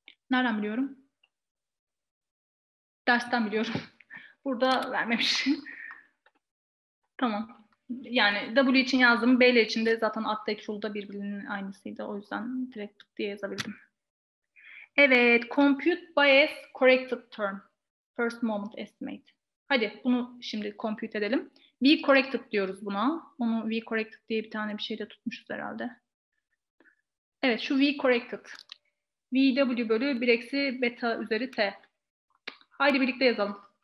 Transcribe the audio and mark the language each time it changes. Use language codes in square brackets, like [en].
[tr] Nereden biliyorum? Dersten biliyorum. Burada vermemiş. Tamam. Yani W için yazdım. B ile için de zaten update rule'da birbirinin aynısıydı. O yüzden direkt diye yazabildim. Evet. [en] Compute bias corrected term. First moment estimate. [tr] Hadi bunu şimdi compute edelim. V corrected diyoruz buna. Onu V corrected diye bir tane bir şey de tutmuşuz herhalde. Evet, şu V corrected. VW bölü 1 eksi beta üzeri T. Haydi birlikte yazalım.